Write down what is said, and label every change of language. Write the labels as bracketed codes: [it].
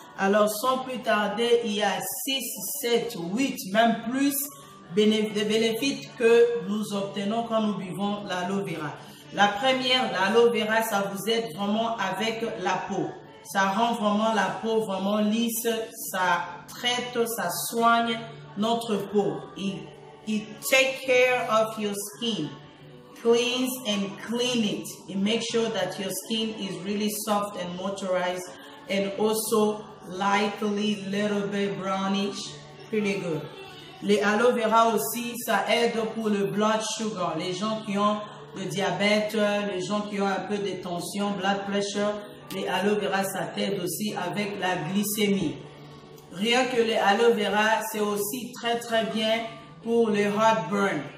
[fr] Alors, sans plus tarder, il y a 6, 7, 8, même plus de bénéfices que nous obtenons quand nous buvons l'aloe vera. La première, l'aloe vera, ça vous aide vraiment avec la peau. Ça rend vraiment la peau vraiment lisse, ça traite, ça soigne notre peau. [en] It take care of your skin, cleans and clean it. It makes sure that your skin is really soft and moisturized and also lightly little bit brownish. Pretty good. [fr] Les aloe vera aussi, ça aide pour le blood sugar. Les gens qui ont le diabète, les gens qui ont un peu de tension, blood pressure, les aloe vera, ça t'aide aussi avec la glycémie. Rien que les aloe vera, c'est aussi très très bien pour les heartburn.